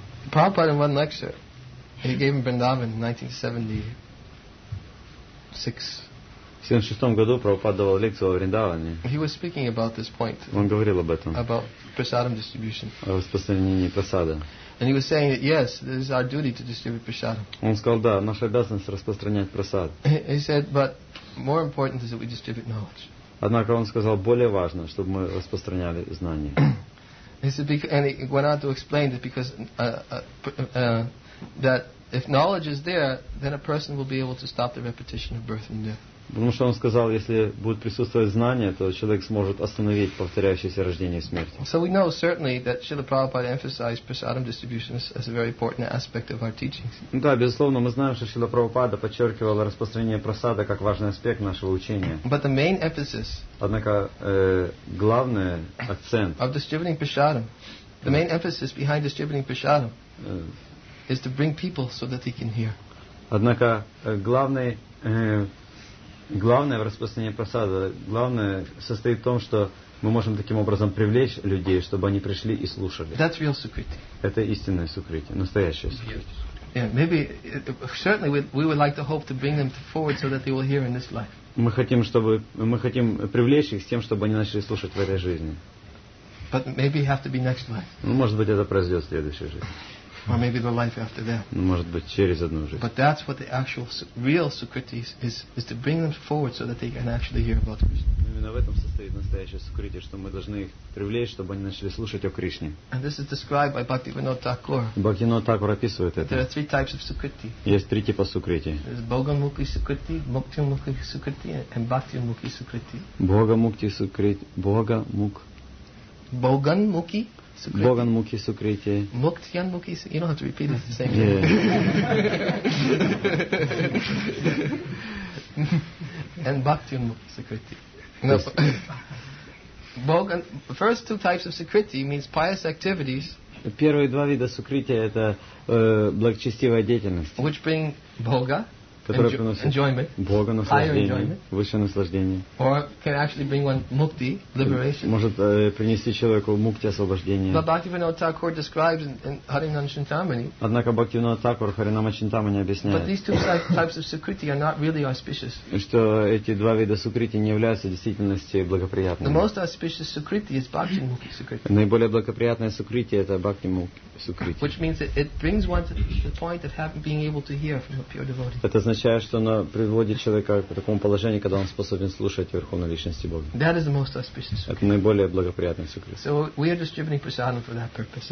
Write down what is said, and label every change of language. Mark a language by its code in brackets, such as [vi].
[en] Prabhupada in one lecture, he gave in Vrindavan in 1976. [ru] В 76 году Прабхупада давал лекцию о Вриндаване. [en] He was speaking about this point. [ru] Он говорил об этом. [en] About prasadam distribution. [ru] О распространении просада. [en] And he was saying that yes, it is our duty to distribute prasadam. [ru] Он сказал, да, наша обязанность распространять просад. [en] He said, but more important is that we distribute knowledge. [ru] Однако он сказал, более важно, чтобы мы распространяли знания. [en] He said, and he went on to explain that because that if knowledge is there, then a person will be able to stop the repetition of birth and death. [ru] Потому что он сказал, если будет присутствовать знание, то человек сможет остановить повторяющееся рождение и смерть. [en] So we know certainly that Srila Prabhupada emphasized prasadam distribution as a very important aspect of our teachings. [ru] Да, безусловно, мы знаем, что Шрила Прабхупада подчеркивал распространение просада как важный аспект нашего учения. [en] But the main emphasis. [ru] Однако главный акцент. [en] Of distributing prasadam, the main emphasis behind distributing prasadam is to bring people so that they can hear. [ru] Однако главное в распространении просада, главное состоит в том, что мы можем таким образом привлечь людей, чтобы они пришли и слушали. [en] That's real sukriti. [ru] Это истинное сукрити, настоящее сукрити. [en] Yeah, maybe certainly we would like to hope to bring them forward so that they will hear in this life. [ru] Мы хотим привлечь их с тем, чтобы они начали слушать в этой жизни. [en] But maybe have to be next life. [ru] Ну, может быть, это произойдет в следующей жизни. [en] Or maybe the life after that. [ru] Может быть, через одну жизнь. [en] But that's what the actual real sukriti is to bring them forward so that they can actually hear about Krishna. [ru] Именно в этом состоит настоящее сукрити, что мы должны их привлечь, чтобы они начали слушать о Кришне. [en] And this is described by Bhaktivinoda Thakur. [ru] Bhaktivinoda Thakur описывает это. [en] There are three types of sukriti. [ru] Есть три типа сукрити. [en] There's Bhogamukhi sukriti, Mukti Mukhi sukriti, and Bhaktivinoda sukriti. Bhogamukhi sukriti, Bhogamukhi. Bogan Mukhi Sukriti. Muktyan Mukhi Sukriti. You don't have to repeat it the same yeah. thing. And Bhaktyan Mukhi Sukriti. No. Bogan, the first two types of Sukriti means pious activities. [ru] Первые два вида Sukriti это благочестивая деятельность. [en] Which bring Boga. [ru] Которая приносит [en] enjoyment, [ru] Бога наслаждение, высшее наслаждение. [en] Or can actually bring one mukti, liberation. [ru] Может принести человеку мукти освобождение. [en] But Bhaktivinoda Thakur describes in Harinam Chintamani. [ru] Однако Бхактивинода Тхакур в Харинама Чинтамани объясняет. [en] But these two types of sukriti are not really auspicious. [ru] Что эти два вида сукрити не являются в действительности благоприятными. [en] The most auspicious sukriti is bhakti mukti sukriti. [ru] Наиболее благоприятное сукрити это bhakti mukti sukriti. [en] Which means that it brings one to the point of being able to hear from a pure devotee. [ru] Это означает, что оно приводит человека к такому положению, когда он способен слушать Верховной Личности Бога. [en] That is the most auspicious sukriti. [ru] Это наиболее благоприятный сукрити. [en] So we are distributing prasadam for that purpose.